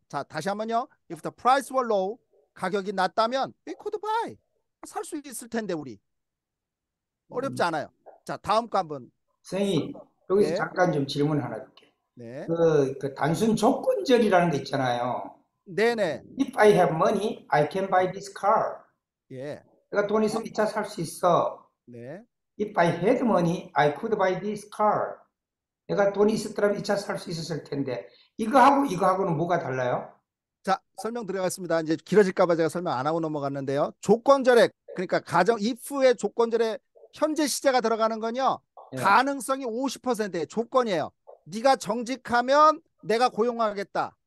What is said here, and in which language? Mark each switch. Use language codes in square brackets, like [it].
[ko] 자 다시 한번요. [en] If the price were low, 가격이 낮다면 we could buy [ko] 살 수 있을 텐데 우리 어렵지 않아요. 자 다음 거 한번. 선생님 여기서 네. 잠깐 좀 질문 하나 줄게. 네. 그 단순 조건절이라는 게 있잖아요. 네네. [en] If I have money, I can buy this car. [ko] 예. 내가 돈 있으면 이 차 살 수 있어. 네. [en] If I had money, I could buy this car. [ko] 내가 돈이 있었더라면 이 차 살 수 있었을 텐데. 이거하고 이거하고는 뭐가 달라요? 자, 설명 드려봤습니다. 이제 길어질까 봐 제가 설명 안 하고 넘어갔는데요. 조건절에 그러니까 가정 if의 조건절에 현재 시제가 들어가는 건요. 예. 가능성이 50%의 조건이에요. 네가 정직하면 내가 고용하겠다.